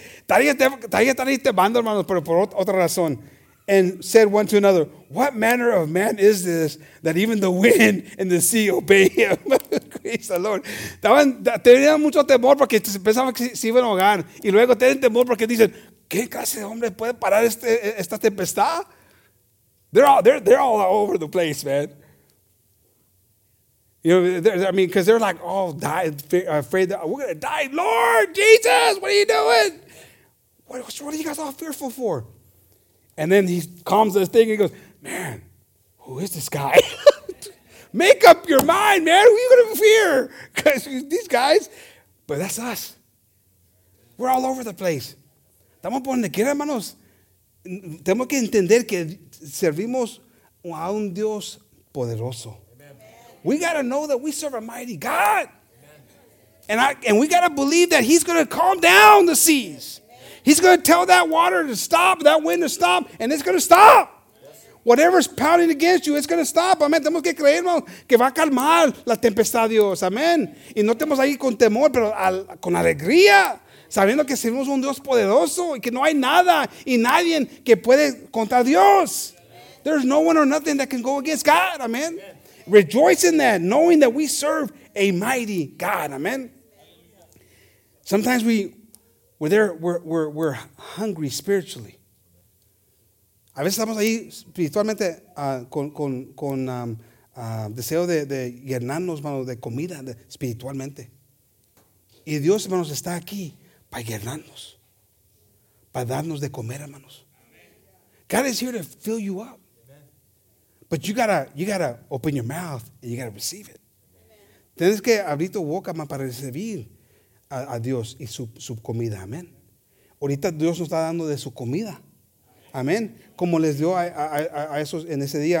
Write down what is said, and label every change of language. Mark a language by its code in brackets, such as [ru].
[en] And said one to another, what manner of man is this that even the wind and the sea obey him? Praise the Lord. [es] Tenían mucho temor porque pensaban que se iban a ahogar. Y luego tenían temor porque dicen, ¿qué clase de hombre puede parar esta tempestad? [en] They're all over the place, man. You know, because they're like all afraid that we're going to die. Lord Jesus, what are you doing? What are you guys all fearful for? And then he calms this thing and he goes, man, who is this guy? Make up your mind, man. Who are you going to fear? Because these guys, but that's us. We're all over the place. [es] Estamos por donde quiera, hermanos. Tenemos que entender que servimos a un Dios poderoso. [en] We got to know that we serve a mighty God. Amen. And we got to believe that he's going to calm down the seas. Amen. He's going to tell that water to stop, that wind to stop, and it's going to stop. Yes. Whatever's pounding against you, it's going to stop. Amen. [es] Tenemos que creernos que va a calmar la tempestad de Dios. Amen. Y no estamos ahí con temor, pero con alegría, sabiendo que servimos un Dios poderoso y que no hay nada y nadie que puede contra Dios. [en] Amen. There's no one or nothing that can go against God. Amen. Amen. Rejoice in that, knowing that we serve a mighty God. Amen. Sometimes we're hungry spiritually. [es] A veces estamos ahí espiritualmente con deseo de llenarnos, hermanos, de comida espiritualmente. Y Dios, hermanos, está aquí para llenarnos, para darnos de comer, hermanos. [en] God is here to fill you up. But you gotta open your mouth and you gotta receive it. [es] Tienes que abrir tu boca para recibir a Dios y su comida. Amen. Ahorita Dios nos está dando de su comida. Amen. Como les dio a esos en ese día.